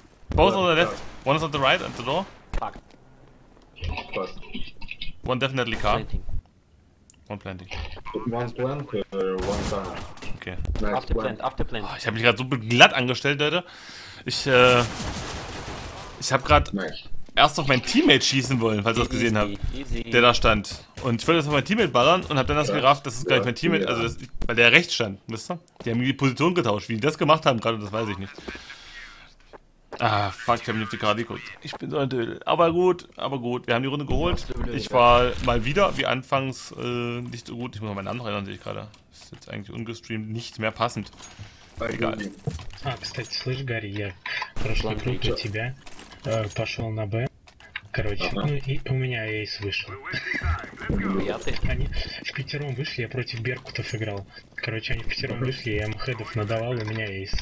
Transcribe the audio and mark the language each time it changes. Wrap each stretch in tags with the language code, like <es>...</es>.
<en>Both on the left, one is on the right at the door. Fuck. One definitely car. One planting. One plant, one car. Okay. Nice after plant, after plant.</en> <de>Oh, ich hab mich gerade so glatt angestellt, Leute. Ich hab grad nice. Erst auf mein Teammate schießen wollen, falls ihr das gesehen habt. Der da stand. Und ich wollte jetzt auf mein Teammate ballern und hab dann das gerafft, das ist gar nicht mein Teammate, also das, weil der rechts stand, wisst ihr? Die haben die Position getauscht, wie die das gemacht haben gerade, das weiß ich nicht. Ah, fuck, ich hab mich auf die Karte geguckt. Ich bin so ein Dödel. Aber gut, wir haben die Runde geholt. Ich war mal wieder, wie anfangs, nicht so gut. Ich muss mal meinen Namen erinnern, sehe ich gerade. Ist jetzt eigentlich ungestreamt, nicht mehr passend. Egal.</de> <ru>Ah, кстати, слышь, Гарри, я прошла круто тебя. Пошел на Б. К короче. Ага. Ну, и у меня эйс вышел. Они в пятером вышли, я против беркутов играл. Короче, они в пятером вышли, я им хедов надавал, у меня эйс.</ru>